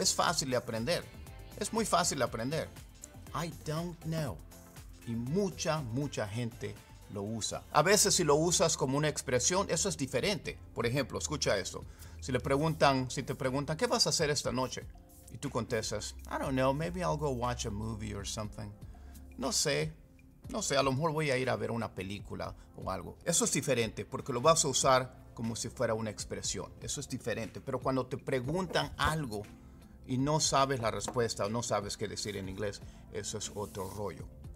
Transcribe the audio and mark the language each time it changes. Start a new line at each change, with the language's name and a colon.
Spanish: Es fácil de aprender. Es muy fácil de aprender.
English: I don't know.
Spanish: Y mucha, mucha gente lo usa. A veces si lo usas como una expresión, eso es diferente. Por ejemplo, escucha esto. Si te preguntan, ¿qué vas a hacer esta noche? Y tú contestas,
English: I don't know, maybe I'll go watch a movie or something.
Spanish: No sé, a lo mejor voy a ir a ver una película o algo. Eso es diferente porque lo vas a usar como si fuera una expresión. Eso es diferente. Pero cuando te preguntan algo y no sabes la respuesta o no sabes qué decir en inglés, eso es otro rollo.